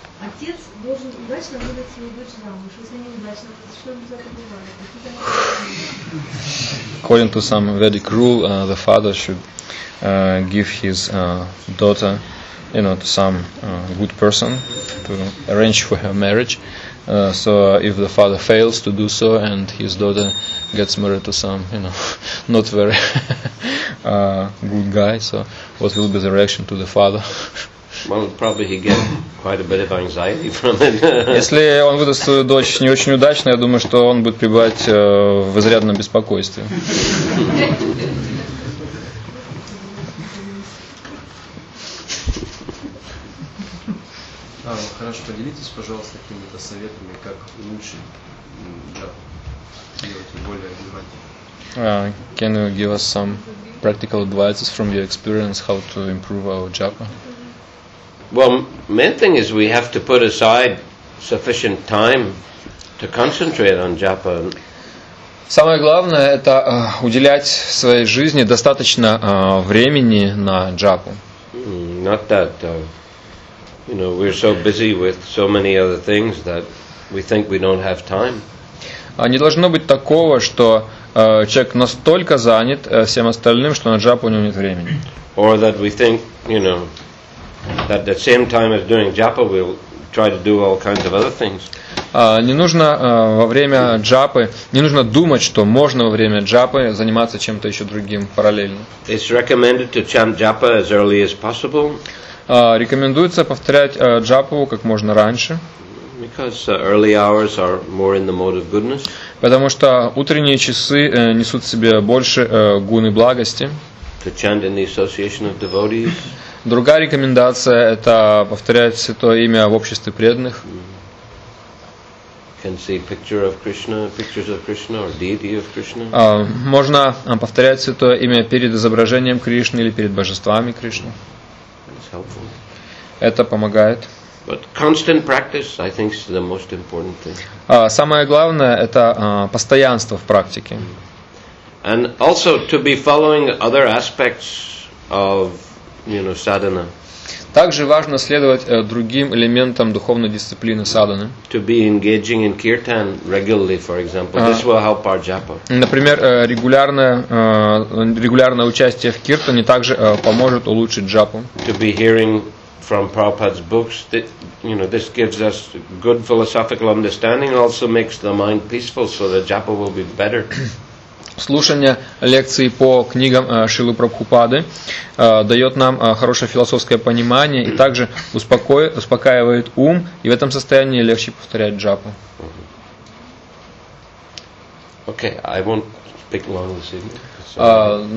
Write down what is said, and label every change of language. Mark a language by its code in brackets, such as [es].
[ru] Отец должен удачно выдать свою дочь замуж. Если неудачно, то что он за это бывает? [en] According to some Vedic rule, the father should give his daughter, you know, to some good person to arrange for her marriage. So if the father fails to do so and his daughter gets married to some, you know, not very good guy, so what will be the reaction to the father? Well, probably he gets quite a bit of anxiety from it. [ru] Если он выдаст свою дочь не очень удачно, я думаю, что он будет пребывать в изрядном беспокойстве. Хорошо, поделитесь, пожалуйста, какими-то советами, как улучшить, да, делать более внимательно. [en] Can you give us some practical advices from your experience how to improve our japa? Well, main thing is we have to put aside sufficient time to concentrate on japa. [ru] Самое главное – это уделять своей жизни достаточно времени на джапу. [en] Not that, you know, we're so busy with so many other things that we think we don't have time. [ru] Не должно быть такого, что человек настолько занят всем остальным, что на джапу у него нет времени. [en] Or that we think, you know, that the same time as doing japa we'll try to do all kinds of other things. [ru] Не нужно во время джапы, не нужно думать, что можно во время джапы заниматься чем-то еще другим параллельно. [en] It's recommended to chant japa as early as possible. [ru] Рекомендуется повторять джапу как можно раньше. [en] Because early hours are more in the mode of goodness. [ru] Потому что утренние часы несут в себе больше гуны благости. [en] To chant in the association of devotees. [ru] Другая рекомендация – это повторять святое имя в обществе преданных. [en] Can see picture of Krishna, pictures of Krishna or deity of Krishna. [ru] Можно повторять святое имя перед изображением Кришны или перед божествами Кришны. [en] That's helpful. [ru] Это помогает. [en] But constant practice, I think, is the most important thing. [ru] Самое главное – это постоянство в практике. [en] And also to be following other aspects of, you know, sadhana. [ru] Также важно следовать другим элементам духовной дисциплины садханы. [en] To be engaging in kirtan regularly, for example. This will help our japa. [ru] Например, регулярное участие в киртане также поможет улучшить джапу. [en] To be hearing from Prabhupada's books, that, you know, this gives us good philosophical understanding and also makes the mind peaceful, so the japa will be better. [ru] Слушание лекций по книгам Шрилы Прабхупады дает нам хорошее философское понимание и также успокаивает ум, и в этом состоянии легче повторять джапу. [en] Okay, I won't speak long this evening.